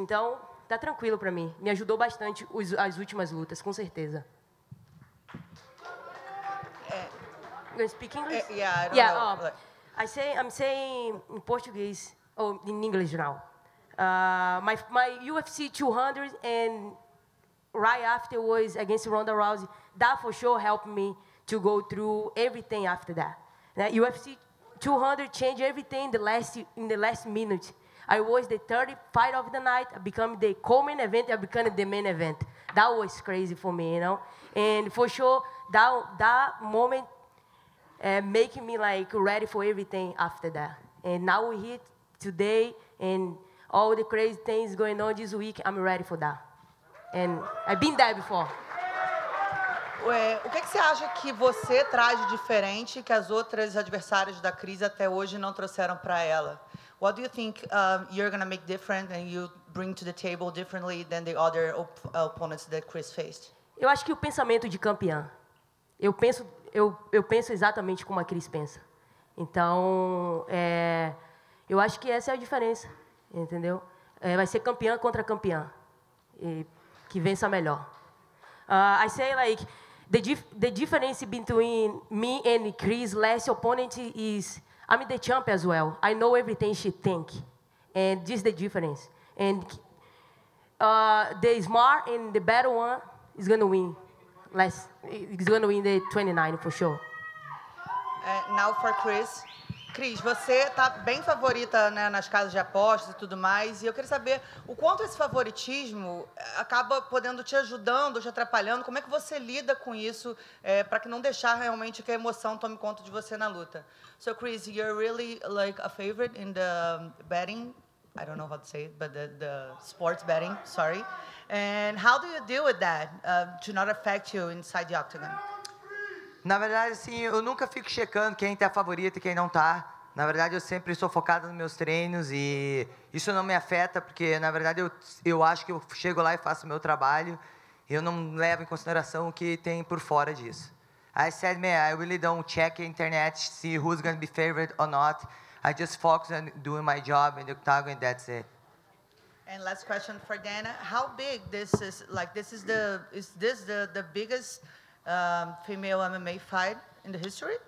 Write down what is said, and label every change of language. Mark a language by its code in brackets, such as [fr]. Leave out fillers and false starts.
[pt] Então, tá tranquilo para mim. Me ajudou bastante as últimas lutas, com certeza. [en] You gonna speak English? I don't know. I'm saying in Portuguese, or in English now. My UFC 200 and right after was against Ronda Rousey. That for sure helped me to go through everything after that. That UFC 200 changed everything in the last minute. I was the 30th fight of the night. I became the co-main event. I became the main event. That was crazy for me, you know? And for sure, that moment making me like ready for everything after that. And now we're here today and all the crazy things going on this week, I'm ready for that. And I've been there before. [pt] Ué, o que você acha que você traz de diferente que as outras adversárias da Cris até hoje não trouxeram para ela? [en] What do you think you're going to make different and you bring to the table differently than the other opponents that Chris faced? [pt] Eu acho que o pensamento de campeã. Eu penso exatamente como a Cris pensa. Então, eu acho que essa é a diferença, entendeu? É, vai ser campeã contra campeã. E que vença melhor. [en] I say like the difference between me and Chris' last opponent is I'm the champ as well. I know everything she think, and this is the difference. And the smart and the better one is gonna win. He's gonna win the 29 for sure. Now for Chris. [pt] Cris, você tá bem favorita, né, nas casas de apostas e tudo mais, e eu queria saber o quanto esse favoritismo acaba podendo te ajudando, te atrapalhando, como é que você lida com isso para que não deixar realmente que a emoção tome conta de você na luta. [en] So, Chris, you're really like a favorite in the betting, I don't know how to say it, but the sports betting, sorry. And how do you deal with that to not affect you inside the octagon? [pt] Na verdade, assim, eu nunca fico checando quem tá favorito e quem não tá. Na verdade, eu sempre sou focado nos meus treinos e isso não me afeta, porque, na verdade, eu acho que eu chego lá e faço o meu trabalho e eu não levo em consideração o que tem por fora disso. [en] I said, man, I really don't check the internet, see who's going to be favored or not. I just focus on doing my job in the octagon and that's it. And last question for Dana. How big this is, like, this is the, is this the biggest female MMA fight in the history?